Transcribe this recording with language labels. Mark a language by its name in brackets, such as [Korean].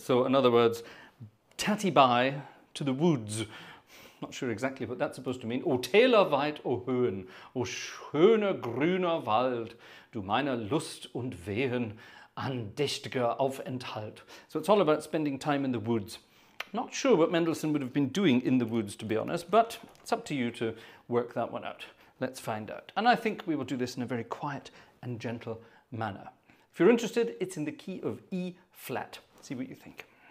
[English] So, in other words, tatty bye to the woods. Not sure exactly what that's supposed to mean. [German] O Täler weit, o Höhen, o schöner grüner Wald, du meiner Lust und Wehen andächtiger Aufenthalt. [English] So it's all about spending time in the woods. Not sure what Mendelssohn would have been doing in the woods, to be honest, but it's up to you to work that one out. Let's find out. And I think we will do this in a very quiet and gentle manner. If you're interested, it's in the key of E flat. See what you think.